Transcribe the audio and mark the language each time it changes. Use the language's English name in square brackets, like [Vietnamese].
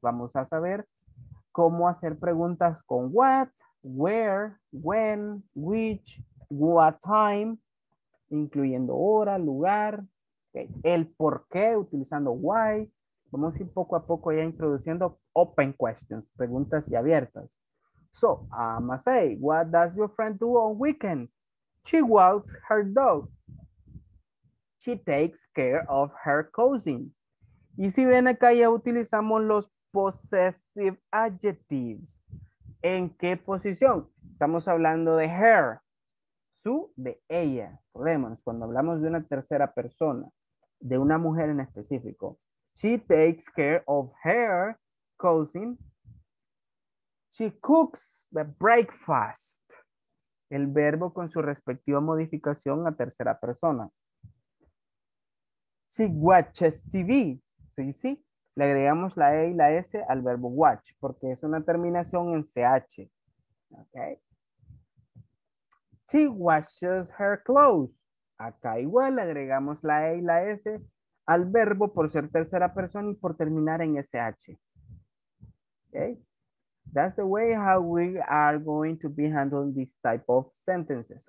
[Spanish] Vamos a saber cómo hacer preguntas con what, where, when, which, what time, incluyendo hora, lugar, okay, el por qué, utilizando why. Vamos a ir poco a poco ya introduciendo [English] open questions, [Spanish] preguntas ya abiertas. [English] So, I'm gonna say, what does your friend do on weekends? She walks her dog. She takes care of her cousin. [Spanish] Y si ven acá, ya utilizamos los possessive adjectives. ¿En qué posición? Estamos hablando de her. Su, de ella. Podemos, cuando hablamos de una tercera persona, de una mujer en específico. [English] She takes care of her cousin. She cooks the breakfast. [Spanish] El verbo con su respectiva modificación a tercera persona. [English] She watches TV. [Spanish] Sí, sí. Le agregamos la E y la S al verbo watch porque es una terminación en CH. Okay. [English] She washes her clothes. [Spanish] Acá igual le agregamos la E y la S al verbo por ser tercera persona y por terminar en SH. [English] Okay. That's the way how we are going to be handling this type of sentences.